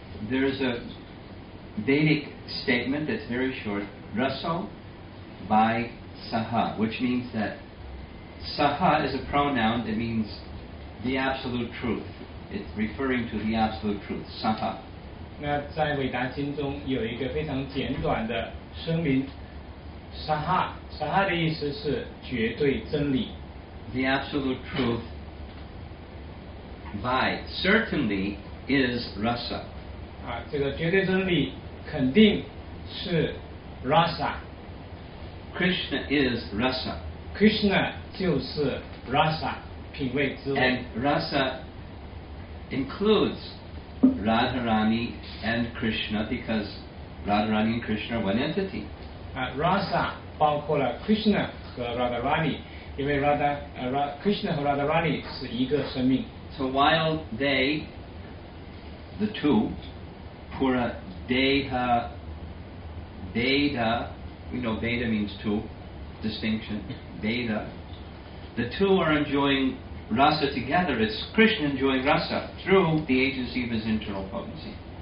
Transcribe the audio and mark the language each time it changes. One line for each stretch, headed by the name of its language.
English: there is a Vedic statement that's very short, raso by saha, which means that saha is a pronoun that means the absolute truth. It's referring to the absolute truth, saha.
Chinese: 那在韦达经中有一个非常简短的声明 saha, saha 的意思是绝对真理。
English: The absolute truth by certainly is rasa.
Chinese: 啊，这个绝对真理肯定是 rasa。
English: Krishna is rasa.
Chinese: Krishna 就是 rasa, 品味之味。
English: And rasa includes Radharani and Krishna because Radharani and Krishna are one entity.
Chinese: Rasa 包括了 Krishna 和 Radharani, 因为 Krishna 和 Radharani 是一个生命。
English: So while they, the two, Pura Deha, Veda, you know, Veda means two, distinction, Veda, the two are enjoying rasa together, it's Krishna enjoying rasa through the agency of his internal potency.